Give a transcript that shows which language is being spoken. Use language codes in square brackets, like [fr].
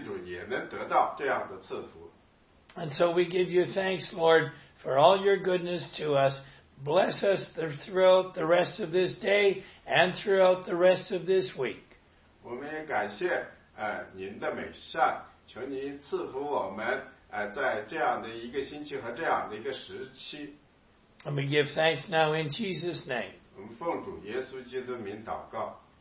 [zh] 主啊,我们知道这一个教会被提对我们来说是一个好消息,但是对那些您爱的,我们爱的不信的人来说,他们却是一个坏消息,我们求您让他们信主也能得到这样的赐福。 [en] And so we give you thanks, Lord, for all your goodness to us. Bless us throughout the rest of this day and throughout the rest of this week. [zh] 我们也感谢您的美善,求您赐福我们在这样的一个星期和这样的一个时期。 [en] And we give thanks now in Jesus' name. [zh] 我们奉主耶稣基督名祷告。